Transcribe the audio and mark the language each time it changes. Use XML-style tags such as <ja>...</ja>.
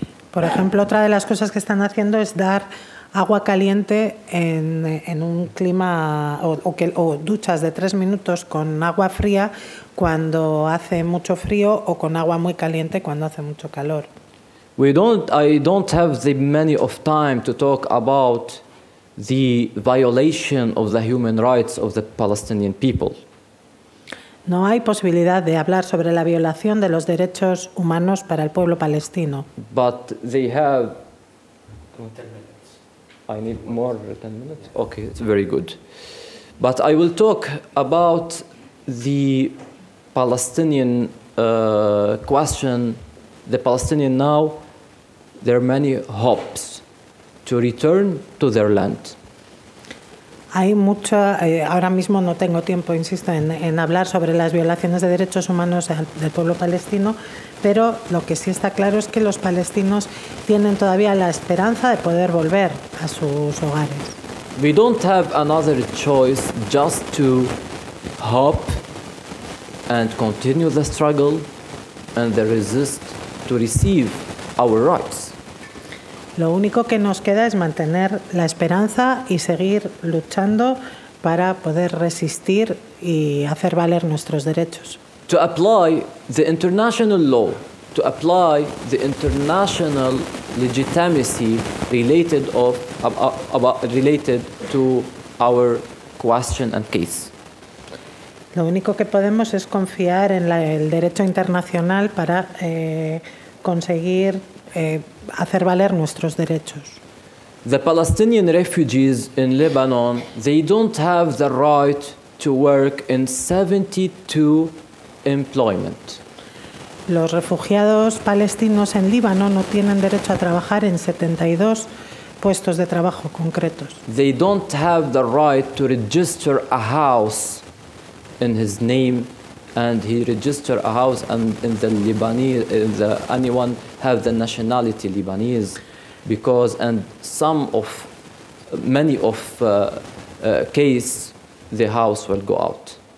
<es>Por ejemplo, otra de las cosas que están haciendo es dar agua caliente en un clima o duchas de 3 minutos con agua fría cuando hace mucho frío o con agua muy caliente cuando hace mucho calor.</es> <en>I don't have the many of time to talk about the violation of the human rights of the Palestinian people.</en> <es>No hay posibilidad de hablar sobre la violación de los derechos humanos para el pueblo palestino.</es> <en>But they have 10 minutes. I need more than 10 minutes. Okay, it's very good. But I will talk about the Palestinian question. The Palestinian now, there are many hopes to return to their land.</en> <es>Hay mucha, ahora mismo no tengo tiempo, insisto, en hablar sobre las violaciones de derechos humanos del pueblo palestino, pero lo que sí está claro es que los palestinos tienen todavía la esperanza de poder volver a sus hogares.</es> <en>We don't have another choice just to hope and continue the struggle and the resist to receive our rights.</en> <es>Lo único que nos queda es mantener la esperanza y seguir luchando para poder resistir y hacer valer nuestros derechos.</es> <en>To apply the international law, to apply the international legitimacy related to our question and case.</en> <es>Lo único que podemos es confiar en el derecho internacional para conseguir hacer valer nuestros derechos.</es> <en>The Palestinian refugees in Lebanon, they don't have the right to work in 72 employment.</en> <es>Los refugiados palestinos en Líbano no tienen derecho a trabajar en 72 puestos de trabajo concretos.</es> <en>They don't have the right to register a house in his name. And he registered a house, and in the Lebanese, in the, anyone have the nationality Lebanese, because and some of many of case the house will go out.</en>